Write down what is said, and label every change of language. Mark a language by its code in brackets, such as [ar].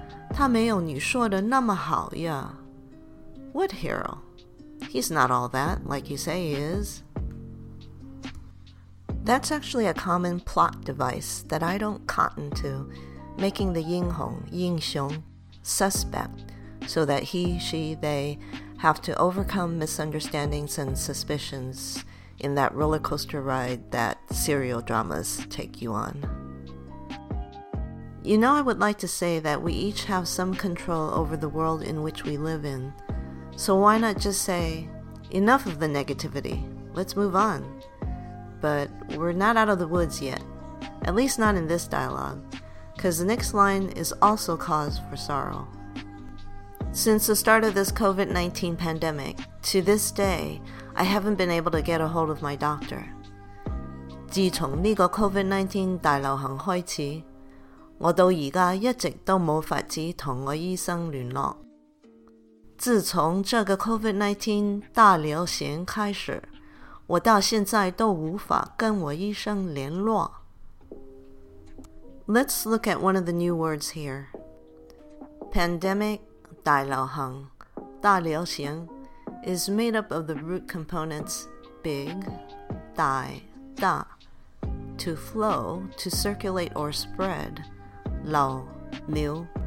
[zh] 他没有你说的那么好呀。 [en] What hero? He's not all that, like you say he is. That's actually a common plot device that I don't cotton to, making the 英雄, [zh] 英雄, [en] suspect, so that he, she, they have to overcome misunderstandings and suspicions in that roller coaster ride that serial dramas take you on. You know, I would like to say that we each have some control over the world in which we live in. So why not just say, enough of the negativity, let's move on. But we're not out of the woods yet, at least not in this dialogue, because the next line is also cause for sorrow. Since the start of this COVID-19 pandemic, to this day, I haven't been able to get a hold of my doctor. [zh] 自从这个 COVID-19 大流行开始, 我到现在一直都没法子和我医生联络。自从这个 COVID-19 大流行开始, 我到现在都无法跟我医生联络。 [en] Let's look at one of the new words here. Pandemic, 大流行, 大流行 is made up of the root components big, 大, 大, to flow, to circulate or spread, 老, 流,